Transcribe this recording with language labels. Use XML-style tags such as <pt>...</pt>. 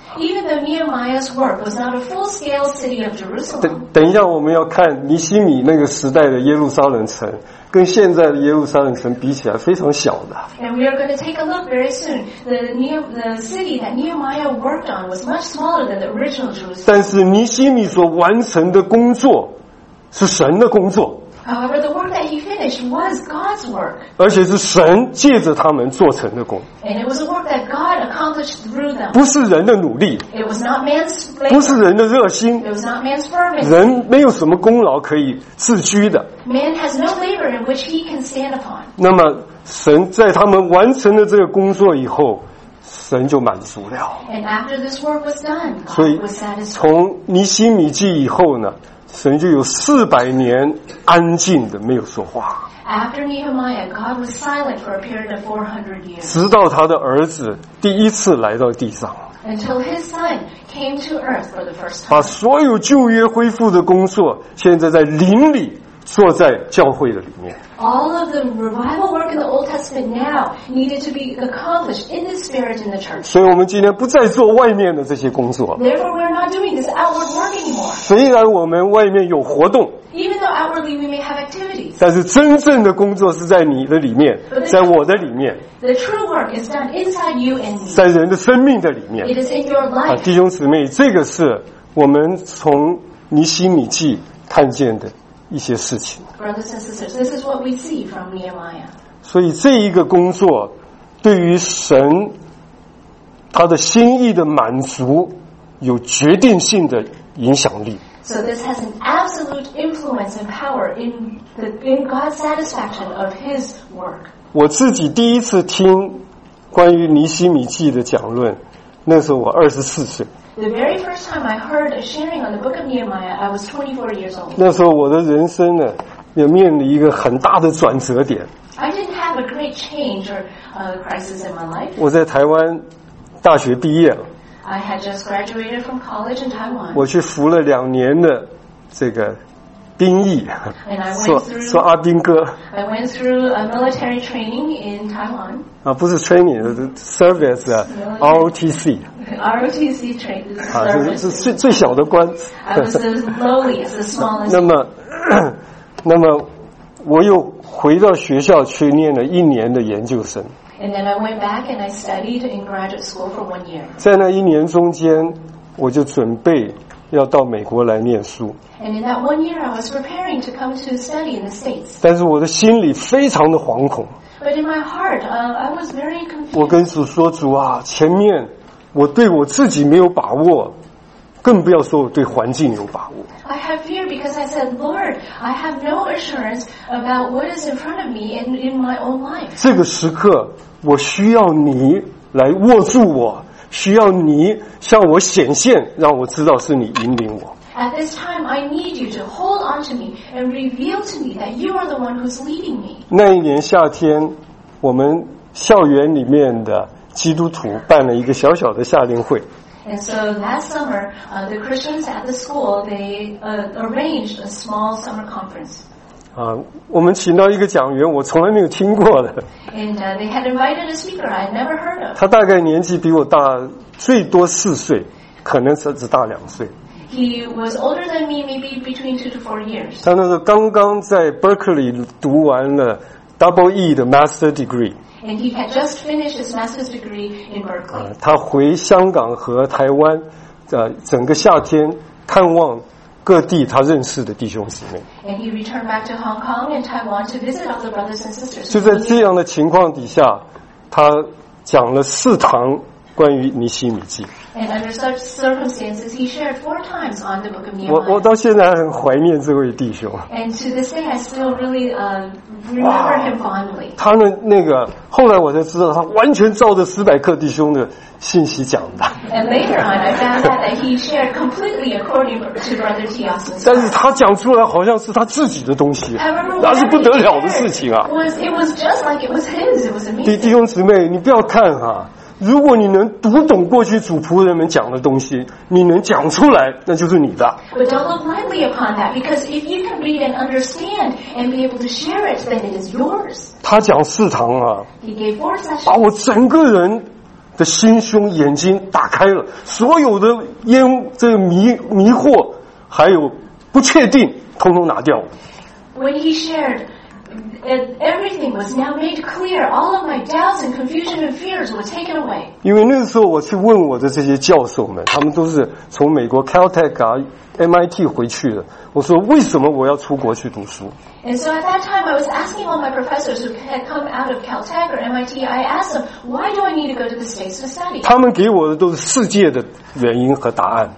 <en>Even though Nehemiah's work was not a full-scale city of Jerusalem.</en> <zh>等一下，我们要看尼希米那个时代的耶路撒冷城，跟现在的耶路撒冷城比起来，非常小的。</zh> <en>And we are going to take a look very soon. The city that Nehemiah worked on was much smaller than the original Jerusalem.</en> <zh>但是尼希米所完成的工作是神的工作。</zh> <en>However, the work that he finished was God's work.</en> <zh>而且是神借着他们做成的工。</zh> <en>And it was a work that God accomplished through them.</en> <zh>不是人的努力。</zh> <en>It was not man's labor.</en> <zh>不是人的热心。</zh> <en>It was not man's fervency.</en> <zh>人没有什么功劳可以自居的。</zh> <en>Man has no labor in which he can stand upon.</en> <zh>那么神在他们完成了这个工作以后，神就满足了。</zh> <en>And after this work was done, God was satisfied.</en> <zh>所以从尼希米记以后呢，神就有400年安静的没有说话。</zh> <en>After Nehemiah, God was silent for a period of 400 years.</en> <zh>直到他的儿子第一次来到地上。</zh> <en>Until his son came to earth for the first time.</en> <zh>把所有旧约恢复的工作，现在在灵里坐在教会的里面。</zh> <en>All of the revival work in the Old Testament now needed to be accomplished in the spirit in the church.</en> <zh>所以我们今天不再做外面的这些工作。</zh> <en>Therefore, we're not doing this outward work anymore.</en> <zh>虽然我们外面有活动。</zh> <en>Even though outwardly we may have activities.</en> <zh>但是真正的工作是在你的里面，在我的里面。</zh> <en>The true work is done inside you and me.</en> <zh>在人的生命的里面。</zh> <en>It is in your life.</en> <zh>弟兄姊妹，这个是我们从尼希米记看见的一些事情。</zh> <en>Brothers and sisters, this is what we see from Nehemiah.</en> <zh>所以这一个工作对于神他的心意的满足有决定性的影响力。</zh> <en>So this has an absolute influence and power in God's satisfaction of His work.</en> <zh>我自己第一次听关于尼希米记的讲论，那时候我24岁。</zh> <en>The very first time I heard a sharing on the book of Nehemiah, I was 24 years old.</en> <zh>那时候我的人生呢，也面临一个很大的转折点。</zh> <en>I didn't have a great change or crisis in my life.</en> <zh>我在台湾大学毕业了。</zh> <en>I had just graduated from college in Taiwan.</en> <zh>我去服了两年的这个兵役。</zh> <en>And I went through.</en> <zh>说阿兵哥。</zh> <en>I went through a military training in Taiwan.</en> <zh>啊，不是 training， 是 service 啊 ，ROTC。</zh> <en>ROTC training.</en> <zh>啊，是最小的官。</zh> <en>I was the lowliest, the smallest.</en> <zh>那么我又回到学校去念了一年的研究生。</zh> <en>And then I went back and I studied in graduate school for 1 year.</en> <zh>在那一年中间，我就准备要到美国来念书。</zh> <en>And in that 1 year, I was preparing to come to study in the States.</en> <zh>但是我的心里非常的惶恐。</zh> <en>But in my heart, I was very confused.</en> <zh>我跟主说：“主啊，前面我对我自己没有把握，更不要说我对环境有把握。”</zh> <en>I have fear because I said, Lord, I have no assurance about what is in front of me and in my own life.</en> <zh>这个时刻我需要你来握住我，需要你向我显现，让我知道是你引领我。</zh> <en>At this time, I need you to hold on to me and reveal to me that you are the one who's leading me.</en> <zh>那一年夏天，我们校园里面的基督徒办了一个小小的夏令会。</zh> <en>And so last summer, the Christians at the school, they arranged a small summer conference.</en> <zh>啊，我们请到一个讲员，我从来没有听过的。</zh> <en>And they had invited a speaker I never heard of.</en> <zh>他大概年纪比我大最多4岁，可能是只大2岁。</zh> <en>He was older than me, maybe between 2 to 4 years.</en> <zh>他那时候刚刚在 Berkeley 读完了 Double E 的 Master Degree。</zh> <en>And he had just finished his master's degree in Berkeley.</en> <zh>他回香港和台湾，整个夏天探望各地他认识的弟兄姊妹。</zh> <en>And he returned back to Hong Kong and Taiwan to visit all the brothers and sisters.</en> <zh>就在这样的情况底下，他讲了4堂关于尼希米记。</zh> <en>And under such circumstances, he shared 4 times on the book of Nehemiah.</en> <zh>我到现在很怀念这位弟兄。</zh> <en>And to this day, I still really remember him fondly.</en> <zh>他呢，那个后来我才知道，他完全照着斯百克弟兄的信息讲的。</zh> <en>And later on, I found out that he shared completely according to Brother Tiasen.</en> <zh>但是他讲出来好像是他自己的东西，那是不得了的事情啊。</zh> <en>It was just like it was his. It was amazing.</en> <zh>弟兄姊妹，你不要看哈。如果你能读懂过去主仆人们讲的东西，你能讲出来，那就是你的。</zh> <en>But don't look lightly upon that, because if you can read and understand and be able to share it, then it is yours.</en> <zh>他讲4堂啊。</zh> <en>He gave 4 sessions.</en> <zh>把我整个人的心胸眼睛打开了，所有的烟这个迷惑，还有不确定，通通拿掉。</zh> <en>When he shared. Everything was now made clear. All of my doubts and confusion and fears were taken away.</en> <zh>因为那时候我去问我的这些教授们，他们都是从美国 Caltech 啊 MIT 回去的。我说为什么我要出国去读书</zh> <en>？And so at that time, I was asking all my professors who had come out of Caltech or MIT. I asked them, why do I need to go to the States to study?</en> <zh>他们给我的都是世界的原因和答案。</zh>